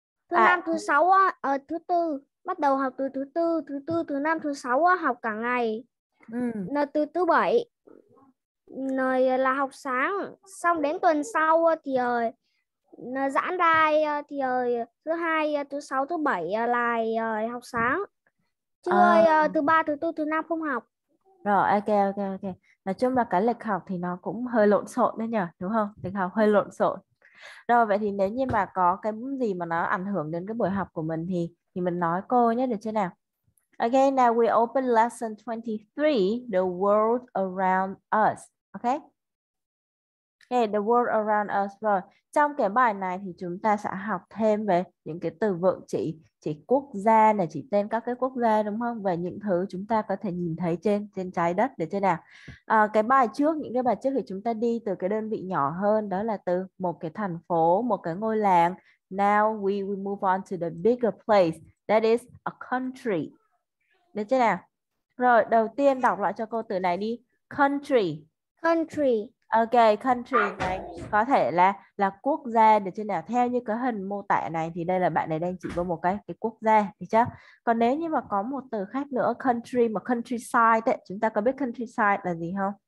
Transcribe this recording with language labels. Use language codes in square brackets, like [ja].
[vi] Thứ năm thứ sáu thứ tư bắt đầu học từ thứ tư thứ năm thứ sáu học cả ngày là từ thứ bảy là học sáng xong đến tuần sau thì giãn ra thì thứ hai thứ sáu thứ bảy là học sáng chưa thứ ba thứ tư thứ năm không học. Rồi, ok. Nói chung là cái lịch học thì nó cũng hơi lộn xộn đấy nhỉ, đúng không? Lịch học hơi lộn xộn. Rồi, vậy thì nếu như mà có cái gì mà nó ảnh hưởng đến cái buổi học của mình thì mình nói cô nhé, được chưa nào? [en] Again, now we open lesson 23, the world around us. Ok? Okay, the world around us. [vi] Rồi, trong cái bài này thì chúng ta sẽ học thêm về những cái từ vựng chỉ quốc gia này, chỉ tên các cái quốc gia đúng không? Về những thứ chúng ta có thể nhìn thấy trên trên trái đất, để thế nào? À, cái bài trước, những cái bài trước thì chúng ta đi từ cái đơn vị nhỏ hơn, đó là từ một cái thành phố, một cái ngôi làng. [en] Now we move on to the bigger place, that is a country. [vi] Được chưa nào? Rồi, đầu tiên đọc lại cho cô từ này đi. [en] Country. Country. [vi] Ok, country này có thể là quốc gia, được chưa nào? Theo như cái hình mô tả này thì đây là bạn này đang chỉ có một cái quốc gia, được chưa? Còn nếu như mà có một từ khác nữa, country mà countryside ấy, chúng ta có biết countryside là gì không?